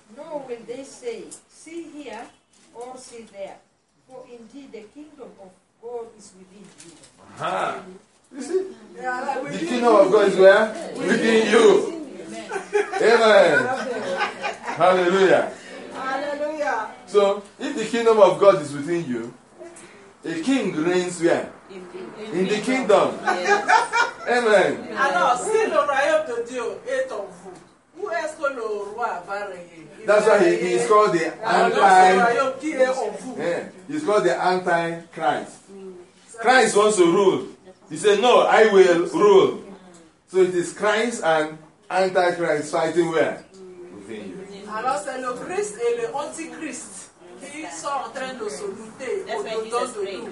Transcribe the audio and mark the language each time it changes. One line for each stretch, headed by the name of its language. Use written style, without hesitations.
English: Nor will they say, see here or see there, for indeed the kingdom of God is within you. You see? Yeah, like the kingdom of God is where? Within you. Amen. Hallelujah. So, if the kingdom of God is within you, a king reigns where? In the kingdom. Yes. Amen.
French: Alors, si le royaume de Dieu est en vous, où est-ce que le roi va régner?
English: That's why he is called the anti.
French: Le royaume qui est en vous.
English: Yeah, he's called the anti Christ. Christ wants to rule. He said, no, I will rule. So, it is Christ and anti Christ fighting where? Within you.
French: Alors, c'est le Christ et le Antichrist qui sont en train de se lutter au-dedans de nous.